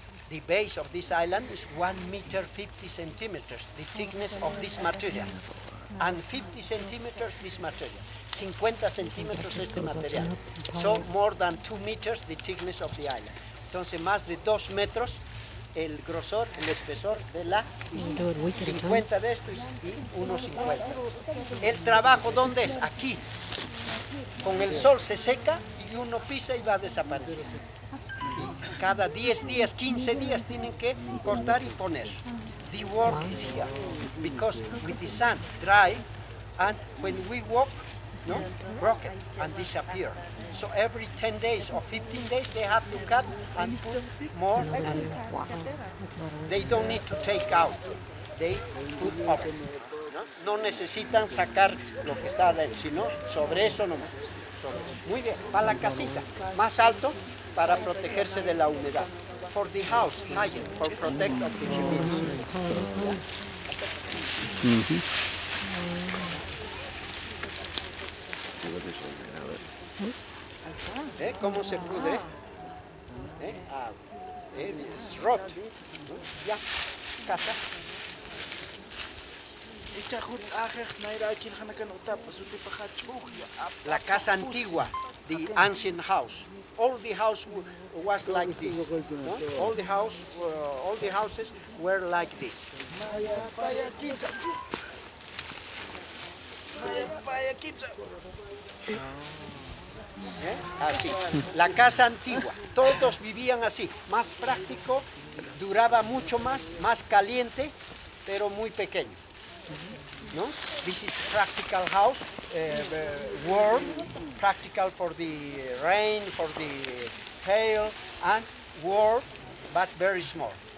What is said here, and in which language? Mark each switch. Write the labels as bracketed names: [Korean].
[English] The base of this island is 1.50 meters, the thickness of this material. And 50 centimeters this material. [Spanish] 50 centímetros este material. [English] So more than 2 meters the thickness of the island. [Spanish] Entonces más de 2 metros el grosor, el espesor de la isla. 50 de esto y 1.50. El trabajo, ¿dónde es? Aquí. Con el sol se seca y uno pisa y va a desaparecer. Y cada 10 días, 15 días tienen que cortar y poner. [English] The work is here, because with the sun dry, and when we walk, no, broken and disappear. So every 10 days or 15 days, they have to cut and put more and they don't need to take out, they put up. [Spanish] No necesitan sacar lo que está adentro, sino sobre eso nomás. Muy bien, para la casita, más alto para protegerse de la humedad. [English] For the house, higher, for protect of the humidity. [Spanish] ¿Cómo se pudre? [English] It's rot. [Spanish] Ya, casa. La casa antigua, [English] the ancient house. All the house was like this. No? All the houses were like this. [Spanish] Así. La casa antigua. Todos vivían así. Más práctico, duraba mucho más, más caliente, pero muy pequeño. [English] No, this is practical house, warm, practical for the rain, for the hail, and warm, but very small.